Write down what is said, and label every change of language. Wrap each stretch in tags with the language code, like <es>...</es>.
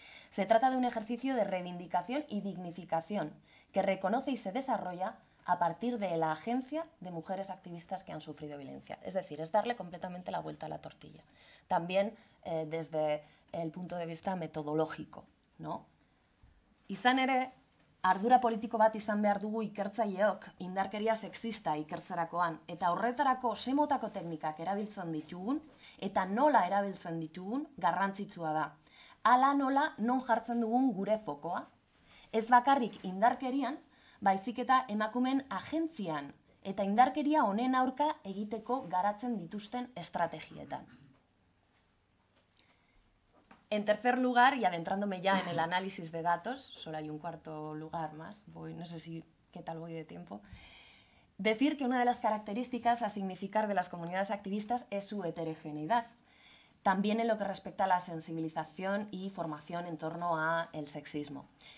<es>Se trata de un ejercicio de reivindicación y dignificación que reconoce y se desarrolla a partir de la agencia de mujeres activistas que han sufrido violencia. Es decir, es darle completamente la vuelta a la tortilla. También desde el punto de vista metodológico, ¿no?</es> <eu>Izan ere, ardura politiko bat izan behar dugu ikertzaileok, indarkeria sexista ikertzerakoan, eta horretarako ze motako teknikak erabiltzen ditugun, eta nola erabiltzen ditugun, garrantzitsua da. Hala nola non jartzen dugun gure fokoa. Ez bakarrik indarkerian, baizik eta emakumeen agentzian, eta indarkeria honen aurka egiteko garatzen dituzten estrategietan.</eu> <es>En tercer lugar, y adentrándome ya en el análisis de datos, solo hay un cuarto lugar más, no sé qué tal voy de tiempo, decir que una de las características a significar de las comunidades activistas es su heterogeneidad, también en lo que respecta a la sensibilización y formación en torno al sexismo.</es>